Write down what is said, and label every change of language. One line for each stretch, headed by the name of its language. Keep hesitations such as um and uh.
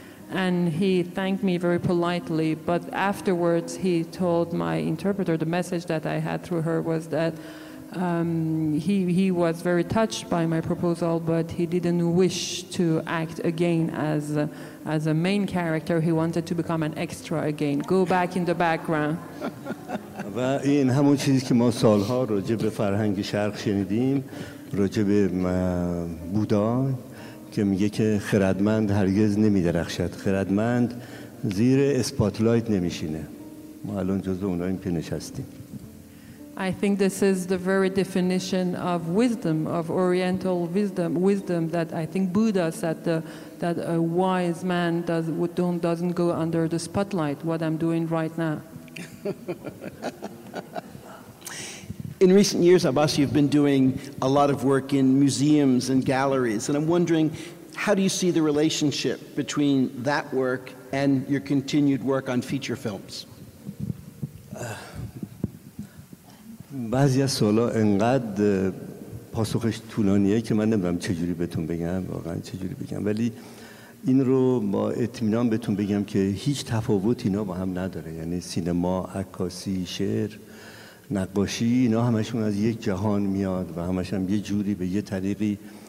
English: And he thanked me very politely, but afterwards he told my interpreter the message that I had through her was that. Um, he, he was very touched by my proposal, but he didn't wish to act again as a, as a main character. He wanted to become an extra again, go back in the background.
Persian: و این همون چیزی که ما سالها راجع به فرهنگ شرق شنیدیم راجع به بودا که میگه که خردمند هرگز نمیدرخشد خردمند زیر اسپاتلایت نمیشینه ما الان جزو اوناییم که نشستیم
English: I think this is the very definition of wisdom, of Oriental wisdom, wisdom that I think Buddha said the, that a wise man does, don't, doesn't go under the spotlight, what I'm doing right now. In recent years, Abbas, you've been doing a lot of work in museums and galleries, and I'm wondering how do you see the relationship between that work and your continued work on feature films?
Persian: بعضی از سوالا انقدر پاسخش طولانیه که من نمیدونم چجوری بهتون بگم واقعا چجوری بگم ولی این رو با اطمینان بهتون بگم که هیچ تفاوت اینا با هم نداره یعنی سینما، عکاسی، شعر، نقاشی اینا همشون از یک جهان میاد و همش هم یه جوری به یه طریقی